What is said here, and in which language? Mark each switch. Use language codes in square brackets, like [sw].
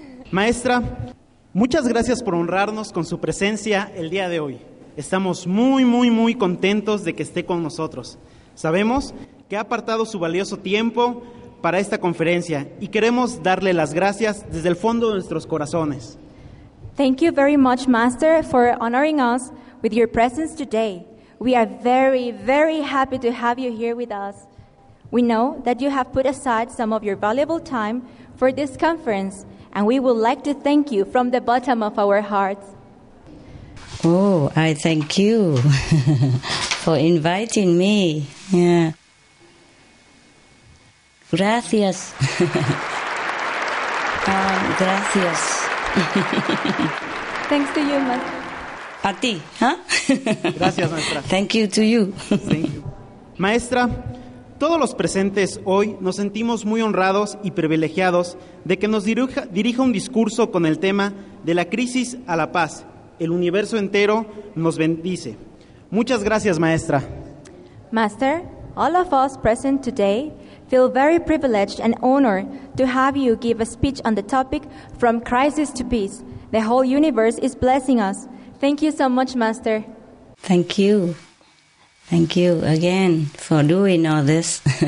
[es] Maestra, muchas gracias por honrarnos con su presencia el día de hoy. Estamos muy, muy, muy contentos de que esté con nosotros. Sabemos que ha apartado su valioso tiempo para esta conferencia y queremos darle las gracias desde el fondo de nuestros corazones. [en] Thank you very much, Master, for honoring us with your presence today. We are very, very happy to have you here with us. We know that you have put aside some of your valuable time for this conference, and we would like to thank you from the bottom of our hearts. Oh, I thank you for inviting me. Yeah. [es] Gracias. gracias. [en] Thanks to you, Master. [es] A ti, ¿eh? Gracias, maestra. [en] Thank you to you. [es] Maestra, todos los presentes hoy nos sentimos muy honrados y privilegiados de que nos dirija un discurso con el tema de la crisis a la paz. El universo entero nos bendice. Muchas gracias, maestra. [en] Master, all of us present today feel very privileged and honored to have you give a speech on the topic From Crisis to Peace. The whole universe is blessing us. Thank you so much, Master. Thank you. Thank you again for doing all this.